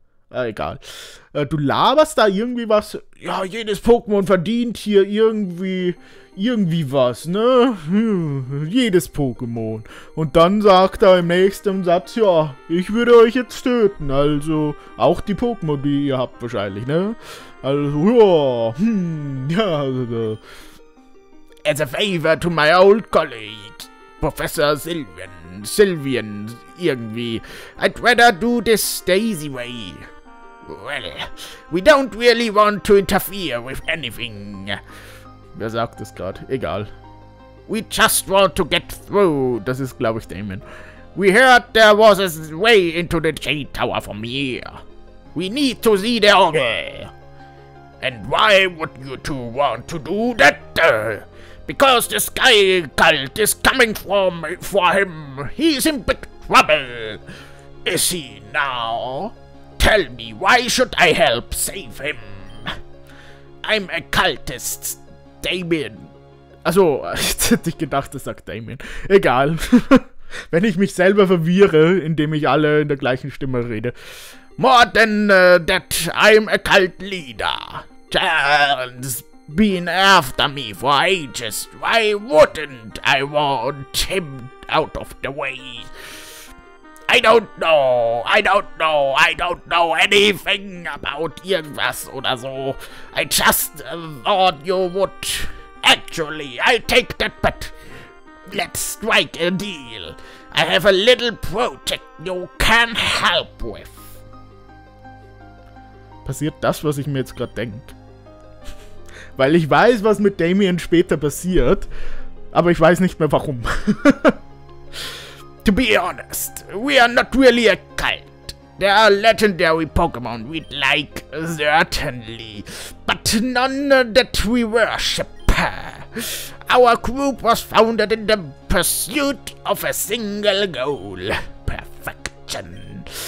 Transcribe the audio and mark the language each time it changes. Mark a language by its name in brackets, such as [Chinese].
[German] Egal. Du laberst da irgendwie was... Ja, jedes Pokémon verdient hier irgendwie was, ne? Jedes Pokémon. Und dann sagt er im nächsten Satz, ja, ich würde euch jetzt töten. Also, auch die Pokémon, die ihr habt wahrscheinlich, ne? Also, ja, ja, also... [English] As a favor to my old colleague, Professor Sylvian, [German] irgendwie, [English] I'd rather do this the easy way. Well, we don't really want to interfere with anything. [German] Wer sagt das gerade? Egal. [English] We just want to get through. [German] Das ist, glaube ich, Damon. [English] We heard there was a way into the Jade Tower from here. We need to see the Orgel. And why would you two want to do that? Because the Sky Cult is coming for him. He's in big trouble. Is he now? Tell me, why should I help save him? I'm a cultist, Damien. [German] Also, jetzt hätte ich gedacht, das sagt Damien. Egal. Wenn ich mich selber verwirre, indem ich alle in der gleichen Stimme rede. [English] More than that, I'm a cult leader. Chance. Been after me for ages. Why wouldn't I want him out of the way? I don't know anything about [German] irgendwas oder so. [English] I just thought you would. Actually, I'll take that bet. Let's strike a deal. I have a little project you can help with. [German] Passiert das, was ich mir jetzt gerade denk? Weil ich weiß, was mit Damien später passiert, aber ich weiß nicht mehr warum. [English] To be honest, we are not really a cult. There are legendary Pokémon we'd like, certainly, but none that we worship. Our group was founded in the pursuit of a single goal: perfection.